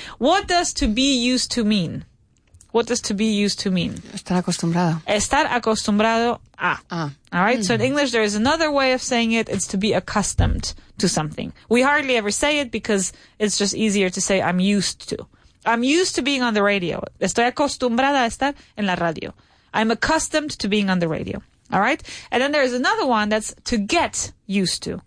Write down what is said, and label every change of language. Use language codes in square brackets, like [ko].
[en] What does to be used to mean? What does to be used to mean? [es] Estar acostumbrado. Estar acostumbrado a. Ah. [en] All right. Mm-hmm. So in English, there is another way of saying it. It's to be accustomed to something. We hardly ever say it because it's just easier to say I'm used to. I'm used to being on the radio. [es] Estoy acostumbrada a estar en la radio. [en] I'm accustomed to being on the radio. All right. And then there is another one that's to get used to.